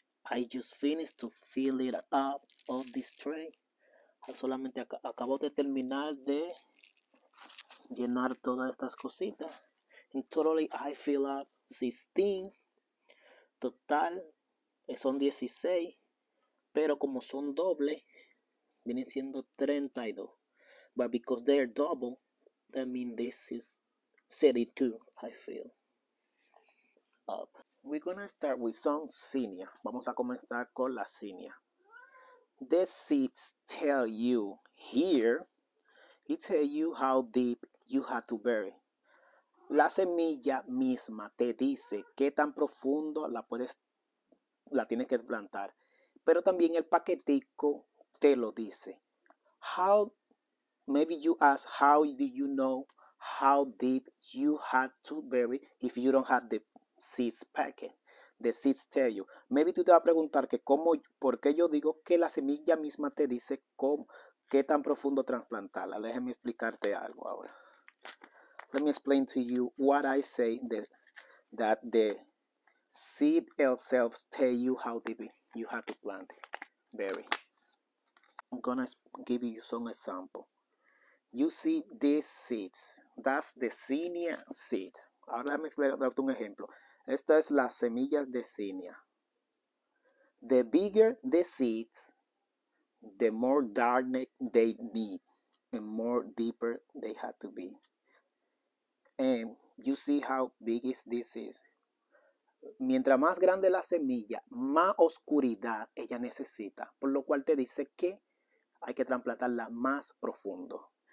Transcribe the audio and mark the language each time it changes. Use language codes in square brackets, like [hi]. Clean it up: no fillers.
[en] I just finished to fill it up of this tray. [es] Solamente acabo de terminar de llenar todas estas cositas. [en] And totally I fill up 16. [es] Total son 16. Pero como son doble, vienen siendo 32. [en] But because they are double, that means this is 32. I fill up. We're gonna start with some zinnia. [es] Vamos a comenzar con la zinnia. [en] The seeds tell you here, it tells you how deep you have to bury. [es] La semilla misma te dice qué tan profundo la tienes que plantar. Pero también el paquetico te lo dice. [en] How, maybe you ask, how do you know how deep you have to bury if you don't have the seeds packet? The seeds tell you. [es] Maybe tú te vas a preguntar que cómo, por qué yo digo que la semilla misma te dice cómo, qué tan profundo trasplantarla. Déjame explicarte algo ahora. [en] Let me explain to you what I say that the seed itself tell you how deep you have to plant. Very. I'm gonna give you some example. You see these seeds. That's the zinnia seeds. [es] Ahora déjame darte un ejemplo. Esta es la semilla de zinnia. [en] The bigger the seeds, the more darkness they need and more deeper they have to be. And you see how big is this is. [es] Mientras más grande la semilla, más oscuridad ella necesita. Por lo cual te dice que hay que trasplantarla más profundo.